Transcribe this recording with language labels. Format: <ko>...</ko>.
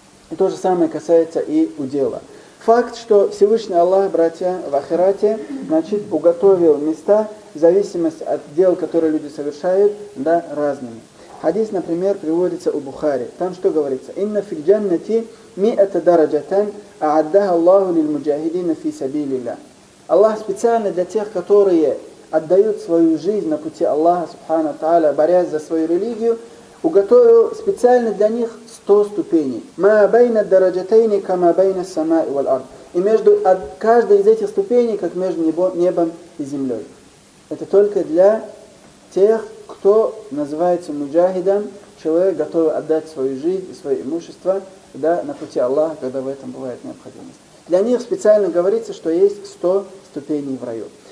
<ru>И то же самое касается и удела. Факт, что Всевышний Аллах, братья, в ахирате, значит, уготовил места, в зависимости от дел, которые люди совершают, да, разными. Хадис, например, приводится у Бухари. Там что говорится? «Инна фил джаннати миата дараджатан».</ru> <ar>أعدها الله للمجاهدين في سبيل الله.</ar> <ru>Аллах специально для тех, которые отдают свою жизнь на пути Аллаха Субхана Тааля, борясь за свою религию, уготовил специально для них 100 ступеней.</ru> <ar>ما بين الدرجتين كما بين السماء والأرض.</ar> <ru>И между каждой из этих ступеней, как между небом и землей. Это только для тех, кто называется муджахидом, человек готовый отдать свою жизнь и свое имущество, да, на пути Аллаха, когда в этом бывает необходимость. Для них специально говорится, что есть 100 ступеней в раю.</ru>